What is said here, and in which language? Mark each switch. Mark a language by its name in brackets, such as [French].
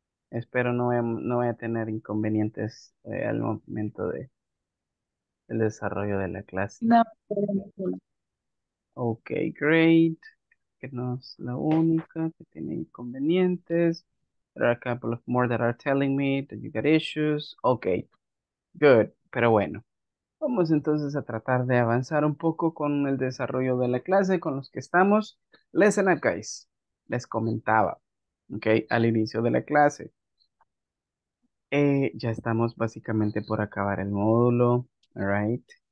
[Spanish] Espero no voy a tener inconvenientes al momento del desarrollo de la clase. No. [English] Ok, great. [Spanish] Que no es la única que tiene inconvenientes. [English] There are a couple of more that are telling me that you got issues. Ok, good. [Spanish] Pero bueno, vamos entonces a tratar de avanzar un poco con el desarrollo de la clase con los que estamos. [English] Listen up, guys. [Spanish] Les comentaba, ok, al inicio de la clase. Ya estamos básicamente por acabar el módulo, right?